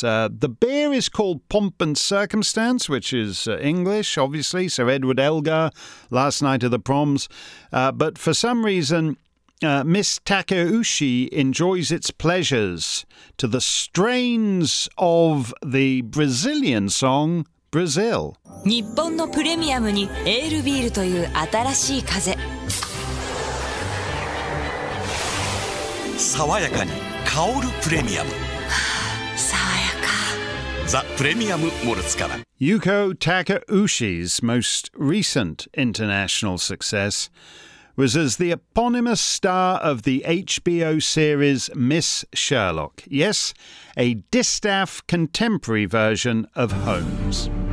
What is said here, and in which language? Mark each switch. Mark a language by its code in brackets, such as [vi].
[en] The beer is called Pomp and Circumstance, which is English, obviously, Sir Edward Elgar, Last Night of the Proms. But for some reason, Miss Takeuchi enjoys its pleasures to the strains of the Brazilian song Brazil. [ja] 日本のプレミアムにエールビールという新しい風。爽やかに香るプレミアム。 [en] The Premium Moritzkara. Yuko Takeuchi's most recent international success was as the eponymous star of the HBO series Miss Sherlock. Yes, a distaff contemporary version of Holmes.